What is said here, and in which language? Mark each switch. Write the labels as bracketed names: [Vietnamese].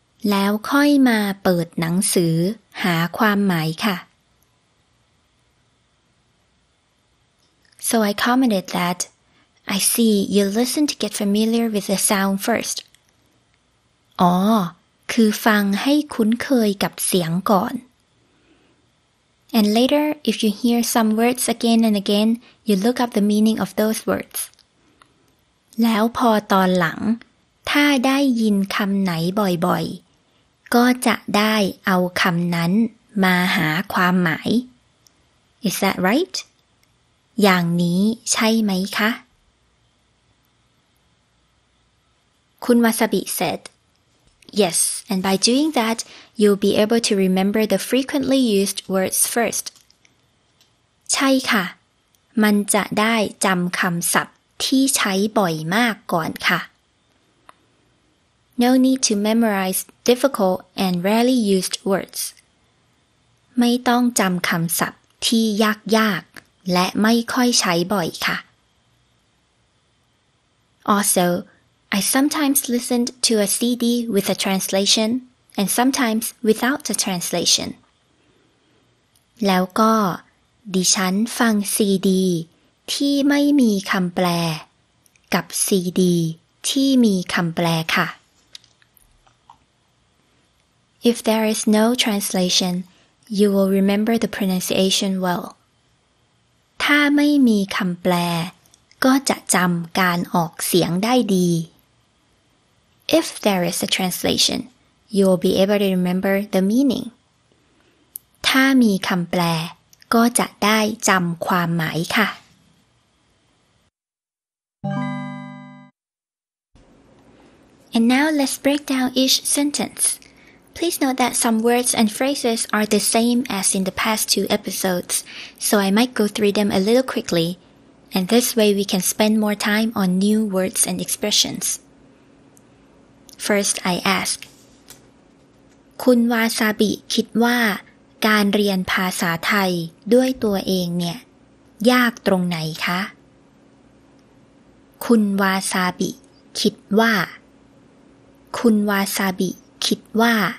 [Thai] แล้วค่อยมาเปิดหนังสือหาความหมายค่ะ [English] So I commented that I see you listen to get familiar with the sound first. [Thai] อ๋อคือฟังให้คุ้นเคยกับเสียงก่อน [English] And later, if you hear some words again and again, you look up the meaning of those words. [Thai] แล้วพอตอนหลังถ้าได้ยินคำไหนบ่อยๆก็จะได้เอาคำนั้นมาหาความหมาย [English] Is that right? [Thai] อย่างนี้ใช่ไหมคะ [English] คุณวาซาบิ said Yes, and by doing that, you'll be able to remember the frequently used words first. [Thai] ใช่ค่ะมันจะได้จำคำศัพท์ที่ใช้บ่อยมากก่อนค่ะ [English] No need to memorize difficult and rarely used words. [Thai] ไม่ต้องจำคำศัพท์ที่ยากๆและไม่ค่อยใช้บ่อยค่ะ [English] Also, I sometimes listened to a CD with a translation and sometimes without a translation. [Thai] แล้วก็ดิฉันฟังซีดีที่ไม่มีคำแปลกับซีดีที่มีคำแปลค่ะ [English] If there is no translation, you will remember the pronunciation well. [Thai] ถ้าไม่มีคำแปลก็จะจำการออกเสียงได้ดี [English] If there is a translation, you will be able to remember the meaning. [Thai] ถ้ามีคำแปลก็จะได้จำความหมายค่ะ [English] And now let's break down each sentencePlease note that some words and phrases are the same as in the past two episodes, so I might go through them a little quickly, and this way we can spend more time on new words and expressions. First, I ask, [Thai] คุณวาซาบิคิดว่าการเรียนภาษาไทยด้วยตัวเองเนี่ยยากตรงไหนคะคุณวาซาบิคิดว่าคุณวาซาบิคิดว่า